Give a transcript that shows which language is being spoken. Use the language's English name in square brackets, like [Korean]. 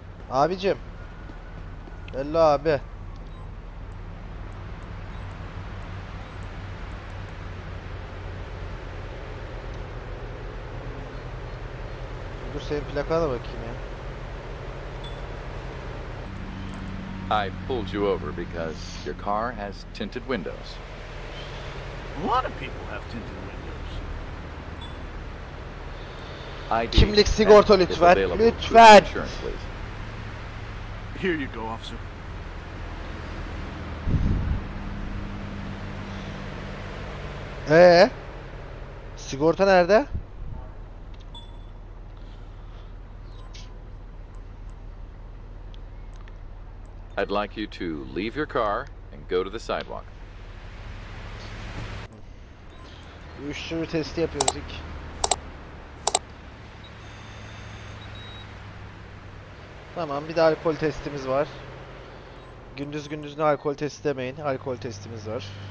[Turkish] Abicim. Hello abi. Dur senin plakana da bakayım ya. [English] I pulled you over because your car has tinted windows. A lot of people have tinted windows. [Turkish] KİMLİK sigorta lütfen. Lütfen. [English] Here you go, officer. [Turkish] Sigorta nerede? [English] I'd like you to leave your car and go to the sidewalk. [Turkish] Uyuşturucu testi yapıyoruz ilk. Tamam, bir de alkol testimiz var. Gündüz gündüz ne alkol testi demeyin, alkol testimiz var.